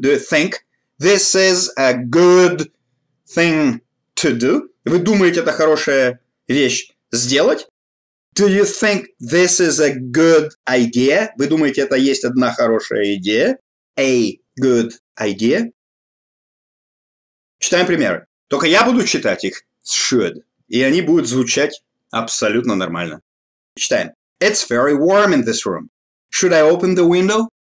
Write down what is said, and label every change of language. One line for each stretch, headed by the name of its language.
English: «Do you think this is a good thing to do?»
Russian: «Вы думаете, это хорошая вещь сделать?»
English: Do you think this is a good idea?
Russian: Вы думаете, это есть одна хорошая идея?
English: A good idea?
Russian: Читаем примеры. Только я буду читать их should. И они будут звучать абсолютно нормально. Читаем.
English: It's very warm in this room. Should I open the window?